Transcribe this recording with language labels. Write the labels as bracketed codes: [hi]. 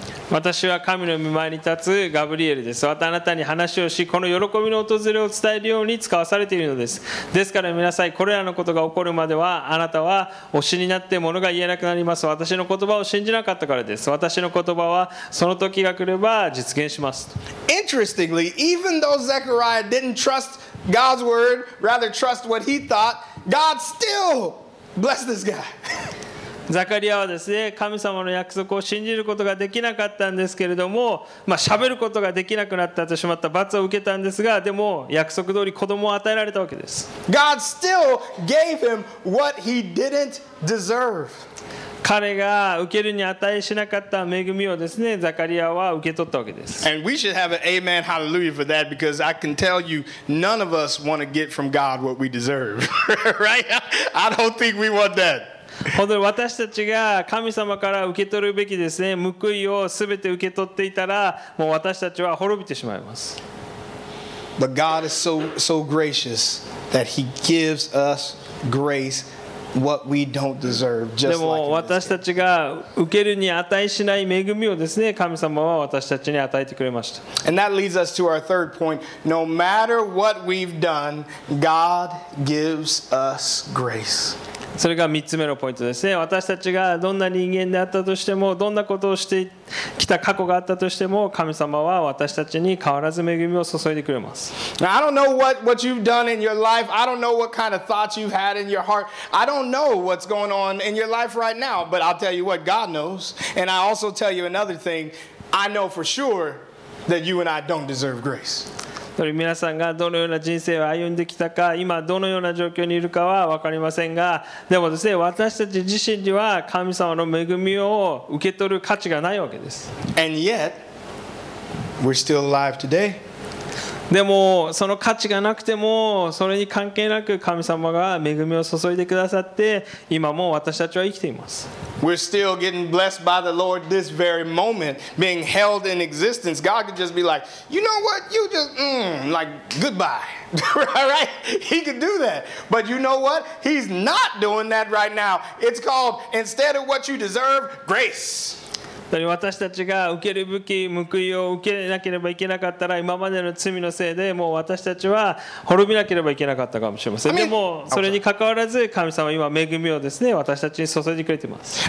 [ja] 私は神の御前に立つガブリエルです。またあなたに話をし、この喜びの訪れを伝えるように使わされているのです。ですから皆さん、これらのことが起こるまではあなたは推しになって物が言えなくなります。私の言葉を信じなかったからです。私の言葉はその時が来れば実現します。 [en] Interestingly, even though Zechariah didn't trust God's word, rather trust what he thought, God still blessed this guy. [ja] ザカリアはですね、神様の約束を信じることができなかったんですけれども、まあ、喋ることができなくなってしまった罰を受けたんですが、でも約束通り子供を与えられたわけです。 [en] God still gave him what he didn't deserve. [ja] 彼が受けるに値しなかった恵みをですね、ザカリアは受け取ったわけです。 [en] And we should have an amen, hallelujah for that, because I can tell you, none of us want to get from God what we deserve. Right? I don't think we want that. [ja] 本当に私たちが神様から受け取るべきですね、報いをすべて受け取っていたら、もう私たちは滅びてしまいます。 [en] But God is so gracious that He gives us grace what we don't deserve. [ja] でも私たちが受けるに値しない恵みをですね、神様は私たちに与えてくれました。 [en] And that leads us to our third point. No matter what we've done, God gives us grace. [ja] それが3つ目のポイントですね。私たちがどんな人間であったとしても、どんなことをしてきた過去があったとしても、神様は私たちに変わらず恵みを注いでくれます。 [en] Now, I don't know what you've done in your life. I don't know what kind of thoughts you've had in your heart. I don't know what's going on in your life right now. But I'll tell you what, God knows. And I also tell you another thing. I know for sure that you and I don't deserve grace. [ja] 皆さんがどのような人生を歩んできたか、今どのような状況にいるかは分かりませんが、でもですね、私たち自身には神様の恵みを受け取る価値がないわけです。 [en] And yet, we're still alive today. [ja] でもその価値がなくても、それに関係なく神様が恵みを注いでくださって、今も私たちは生きています。 [en] We're still getting blessed by the Lord this very moment, being held in existence. God could just be like, you know what? You just, like, goodbye. Right? He could do that. But you know what? He's not doing that right now. It's called, instead of what you deserve, grace. [ja] 私たちが受ける武器、報いを受けなければいけなかったら、今までの罪のせいでもう私たちは滅びなければいけなかったかもしれません。でもそれに関わらず、神様は今恵みをですね、私たちに注いでくれています。